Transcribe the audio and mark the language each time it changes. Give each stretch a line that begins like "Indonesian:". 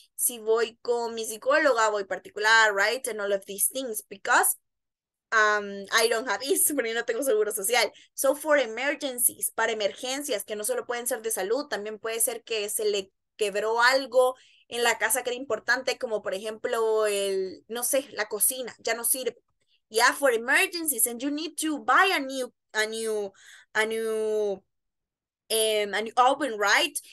Spanish: Si voy con mi psicóloga, voy particular, right?
English: And all of these things, because I don't have this,
Spanish: porque no tengo seguro social.
English: So for emergencies,
Spanish: para emergencias, que no solo pueden ser de salud, también puede ser que se le quebró algo en la casa que era importante, como por ejemplo, la cocina, ya no sirve.
English: Yeah, for emergencies, and you need to buy a new oven, right?